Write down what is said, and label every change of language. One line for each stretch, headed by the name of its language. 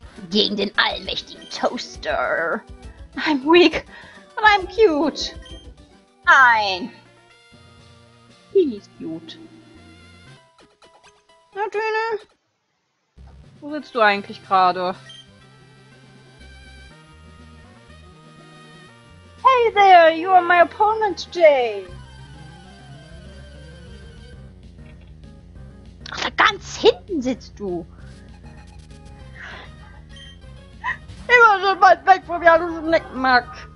German: Gegen den allmächtigen Toaster.
English: I'm weak, but I'm cute.
German: Nein.
English: He is cute.
German: Na, Töne? Wo sitzt du eigentlich gerade?
English: Hey there, you are my opponent today.
German: Ach, da ganz hinten sitzt du. Immer so weit weg von mir, du Schneckmack.